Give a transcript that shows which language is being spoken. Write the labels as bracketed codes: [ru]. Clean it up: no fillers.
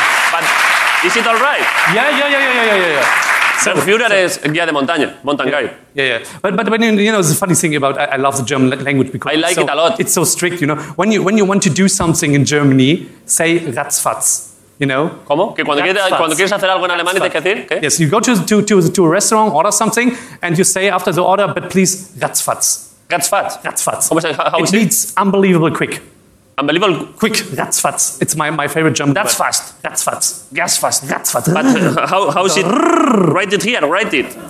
[en] But is it all right? Yeah. So, Führer is [es] guía de montaña, [en] mountain guide. Yeah. But you know, the funny thing about I love the German language because I like it a lot. It's so strict, you know. When you want to do something in Germany, say ratzfatz. You know? [es] ¿Cómo? ¿Que cuando, cuando quieres hacer algo en alemán y tienes que decir qué? [en] Yes, you go to a restaurant, order something, and you say after the order, but please, ratzfatz. [de] Ratzfatz? Ratzfatz. [es] ¿Cómo se dice? [en] It means unbelievably quick. Unbelievable quick, ratzfatz. It's my favorite German. That's word. Fast. That's fast. Gas fast. That's fast. But how is it? Write it here. Write it.